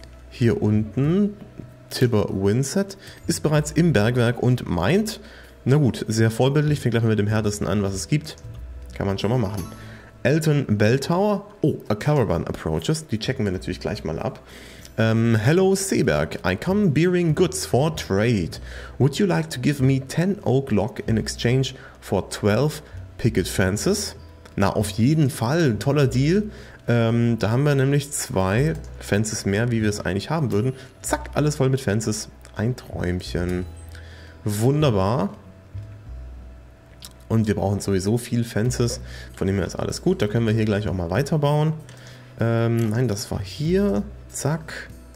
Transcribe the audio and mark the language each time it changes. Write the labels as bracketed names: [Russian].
[German] Hier unten, Tibber Winsett, ist bereits im Bergwerk und meint, na gut, sehr vorbildlich, fängt gleich mal mit dem Härtesten an, was es gibt. Kann man schon mal machen. Elton Belltower, [English] oh, a caravan approaches, [German] die checken wir natürlich gleich mal ab. [English] Hello Seeberg, I come bearing goods for trade. Would you like to give me 10 oak log in exchange for 12 picket fences? [German] Na, auf jeden Fall, toller Deal. Da haben wir nämlich 2 Fences mehr, wie wir es eigentlich haben würden. Zack, alles voll mit Fences. Ein Träumchen. Wunderbar. Und wir brauchen sowieso viel Fences. Von dem her ist alles gut. Da können wir hier gleich auch mal weiterbauen. Nein, das war hier. Zack.